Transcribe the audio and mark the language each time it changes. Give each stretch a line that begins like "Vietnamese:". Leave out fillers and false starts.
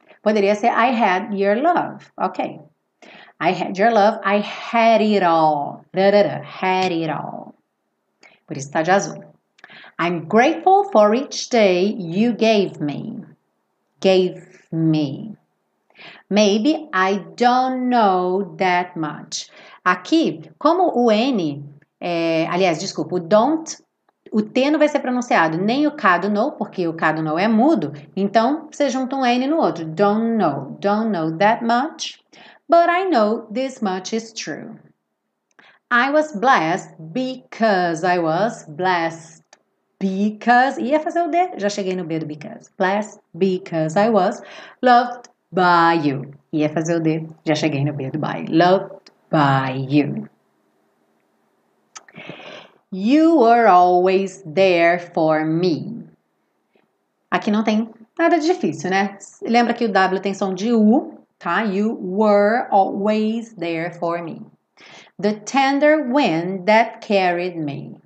Portuguese: Poderia ser,
English: I had your love. Ok. I had your love, I had it all.
Portuguese: Da, da, da,
English: had it all.
Portuguese: Por isso está de azul.
English: I'm grateful for each day you gave me. Gave me. Maybe I don't know that much.
Portuguese: Aqui, como o N, aliás, desculpa, o don't, o T não vai ser pronunciado, nem o K do know, porque o K do know é mudo, então você junta um N no outro.
English: Don't know that much, but I know this much is true. I was blessed because I was blessed because,
Portuguese: ia fazer o D, já cheguei no B do because.
English: Blessed because I was loved by you.
Portuguese: Ia fazer o D. Já cheguei no B do by.
English: Loved by you. You were always there for me.
Portuguese: Aqui não tem nada de difícil, né? Lembra que o W tem som de U, tá?
English: You were always there for me. The tender wind that carried me.